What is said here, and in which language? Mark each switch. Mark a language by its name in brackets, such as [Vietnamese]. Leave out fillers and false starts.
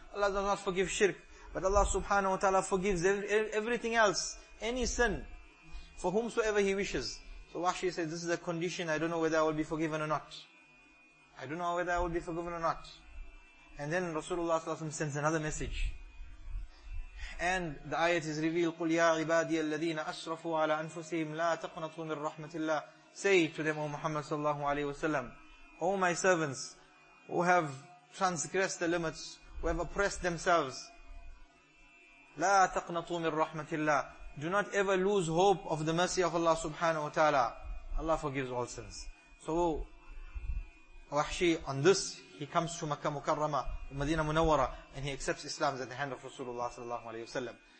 [English] Allah does not forgive shirk, but Allah subhanahu wa ta'ala forgives everything else, any sin, for whomsoever He wishes. So Wahshi says, this is a condition, I don't know whether I will be forgiven or not. I don't know whether I will be forgiven or not. And then Rasulullah sallallahu alayhi wa sallam sends another message. [Arabic] And the ayat is revealed, قُلْ يَا عِبَادِيَ الَّذِينَ أَسْرَفُوا عَلَىٰ أَنفُسِهِمْ لَا تَقْنَطُوا مِن رَحْمَةِ اللَّهِ. [English] Say to them, O Muhammad sallallahu alayhi wa sallam, O my servants who have transgressed the limits, who have oppressed themselves, [Arabic] لا تقنطوا من رحمة الله. [English] Do not ever lose hope of the mercy of Allah subhanahu wa ta'ala. Allah forgives all sins. So, Wahshi, on this, he comes to Makkah Mukarrama, Madina Munawwara, and he accepts Islam at the hand of Rasulullah sallallahu alayhi wa sallam.